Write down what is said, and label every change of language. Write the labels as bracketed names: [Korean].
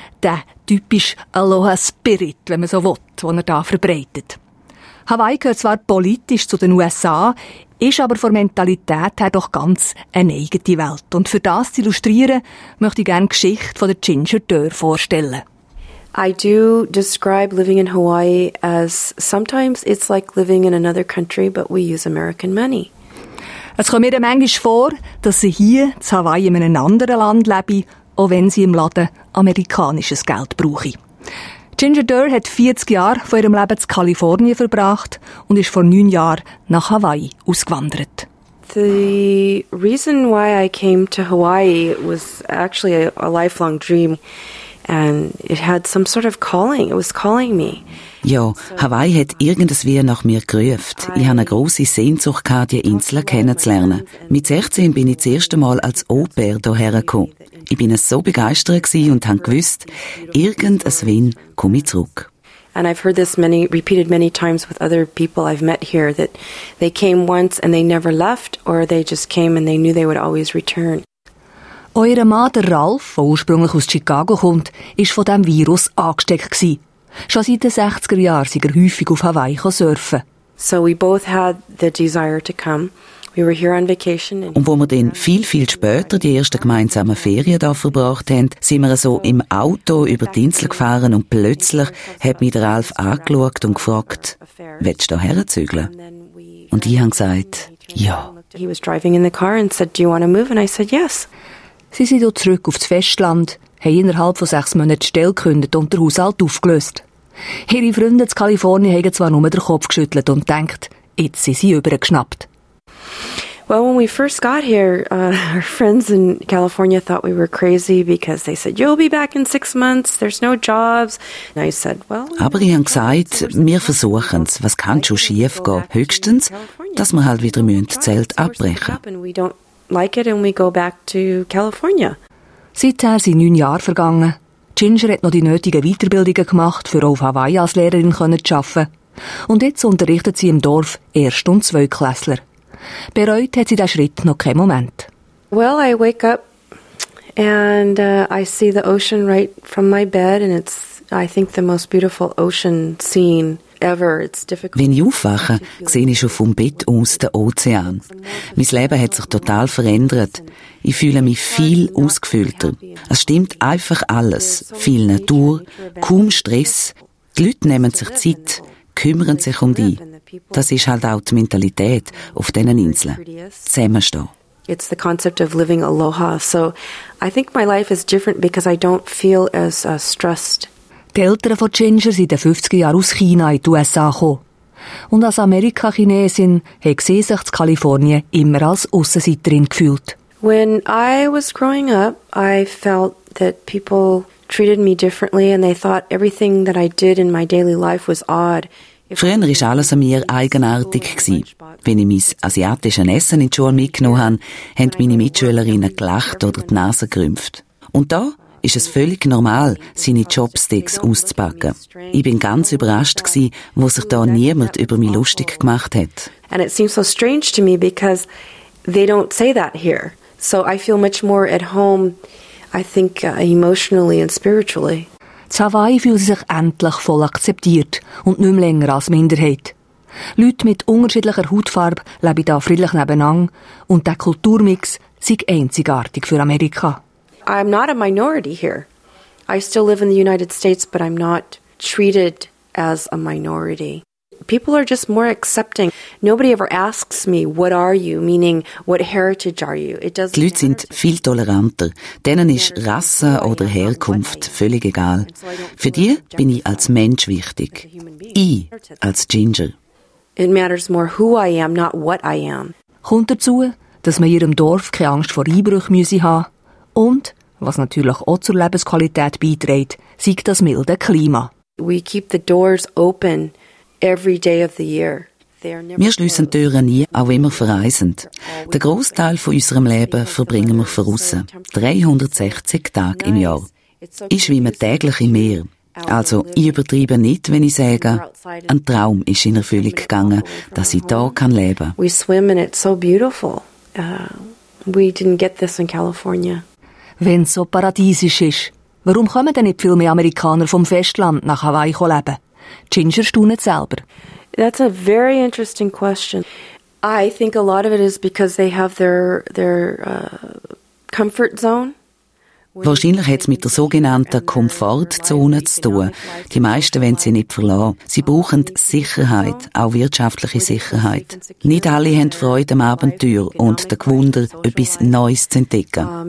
[German] Der typische Aloha Spirit, wenn man so will, den er da verbreitet. Hawaii gehört zwar politisch zu den USA, ist aber von Mentalität her doch ganz eine eigene Welt. Und für das zu illustrieren, möchte ich gerne die Geschichte von der Ginger Dörr vorstellen. [English] I do describe living in Hawaii as sometimes it's like living in another country, but we use American money. [German] Es kommt mir dann manchmal vor, dass sie hier in Hawaii in einem anderen Land lebe, auch wenn sie im Laden amerikanisches Geld brauche. Ginger Dörr hat 40 Jahre von ihrem Leben in Kalifornien verbracht und ist vor 9 Jahren nach Hawaii ausgewandert. [English] The reason why I came to Hawaii was actually a lifelong dream and it had some sort of calling. It was calling me. [German] Ja, Hawaii hat irgendwie nach mir gerufen. Ich hatte eine grosse Sehnsucht gehabt, die Insel kennenzulernen. Mit 16 bin ich das erste Mal als Au-pair hierher gekommen. Ich bin so begeistert und han gwüsst, irgendwann komm ich zurück. [English] And I've heard this many repeated many times with other people I've met here that they came once and they never left or they just came and they knew they would always return. [German] Euer Mann, der Ralph, der ursprünglich aus Chicago kommt, ist von dem Virus angesteckt gsi. Schon seit den 60er Jahren sind er häufig auf Hawaii surfen. [English] So we both had the desire to come. We were here on vacation. [German] Und wo wir dann viel, viel später die ersten gemeinsamen Ferien da verbracht haben, sind wir so im Auto über die Insel gefahren und plötzlich hat mich der Ralf angeschaut und gefragt, willst du da herzügeln? Und ich habe gesagt, ja. [English] He was driving in the car and said, do you want to move? And I said, yes. [German] Sie sind dann zurück aufs Festland, haben innerhalb von 6 Monaten die Stelle gekündigt und den Haushalt aufgelöst. Ihre Freunde in Kalifornien haben zwar nur den Kopf geschüttelt und denkt, jetzt sind sie übergeschnappt. [English] Well, when we first got here, our friends in California thought we were crazy because they said, you'll be back in 6 months, there's no jobs. And I said, well, [German] aber ich habe gesagt, wir versuchen es, was kann schon schief gehen? Höchstens, dass wir halt wieder müssen, das Zelt abbrechen. Seither sind 9 Jahre vergangen. Ginger hat noch die nötigen Weiterbildungen gemacht, für auf Hawaii als Lehrerin zu arbeiten. Und jetzt unterrichtet sie im Dorf Erst- und Zweiklässler. Bereut hat sie den Schritt noch keinen Moment. [English] Well, I wake up and I see the ocean right from my bed and it's, I think, the most beautiful ocean scene ever. It's difficult. [German] Wenn ich aufwache, sehe ich schon vom Bett aus den Ozean. Mein Leben hat sich total verändert. Ich fühle mich viel ausgefüllter. Es stimmt einfach alles. Viel Natur, kaum Stress. Die Leute nehmen sich Zeit, kümmern sich um dich. Das ist halt auch die Mentalität auf diesen Inseln. Zusammenstehen. [English] It's the concept of living aloha. So I think my life is different because I don't feel as stressed. [German] Die Eltern von Ginger sind in den 50er Jahren aus China in die USA gekommen. Und als Amerika-Chinesin hat sie sich in Kalifornien immer als Aussenseiterin gefühlt. [English] When I was growing up, I felt that people treated me differently and they thought everything that I did in my daily life was odd. [German] Früher war alles an mir eigenartig gewesen. Wenn ich mein asiatisches Essen in die Schule mitgenommen habe, haben meine Mitschülerinnen gelacht oder die Nase gerümpft. Und da ist es völlig normal, seine Chopsticks auszupacken. Ich bin ganz überrascht gewesen, wo sich da niemand über mich lustig gemacht hat. [English] And it seems so strange to me because they don't say that here. So I feel much more at home, I think, emotionally and spiritually. [German] In Hawaii fühlen sie sich endlich voll akzeptiert und nicht mehr länger als Minderheit. Leute mit unterschiedlicher Hautfarbe leben da friedlich nebeneinander und der Kulturmix sei einzigartig für Amerika. [English] I'm not a minority here. I still live in the United States, but I'm not treated as a minority. people are just more accepting. Nobody ever asks me, what are you? Meaning, what heritage are you? It doesn't. [German] Die Leute sind viel toleranter. Denen ist Rasse oder Herkunft völlig egal. Für die bin ich als Mensch wichtig. Ich als Ginger. [English] It matters more who I am, not what I am. [German] Kommt dazu, dass man in ihrem Dorf keine Angst vor Einbrüchen müsse haben. Und, was natürlich auch zur Lebensqualität beiträgt, sei das milde Klima. [English] We keep the doors open every day of the year. [German] Wir schliessen die Türen ein, auch wenn wir verreisen. Den Grossteil von unserem Leben verbringen wir draussen. 360 Tage im Jahr. Ist wie ein täglich im Meer. Also, ich übertreibe nicht, wenn ich sage, ein Traum ist in Erfüllung gegangen, dass ich hier da leben kann. [English] We swim and it's so beautiful. We didn't get this in California. [German] Wenn es so paradiesisch ist, warum kommen denn nicht viel mehr Amerikaner vom Festland nach Hawaii leben? Ginger staunet selber. [English] That's a very interesting question. I think a lot of it is because they have their comfort zone. [German] Wahrscheinlich hat es mit der sogenannten Komfortzone zu tun. Die meisten wollen sie nicht verlassen. Sie brauchen Sicherheit, auch wirtschaftliche Sicherheit. Nicht alle haben Freude am Abenteuer und den Gewunder, etwas Neues zu entdecken.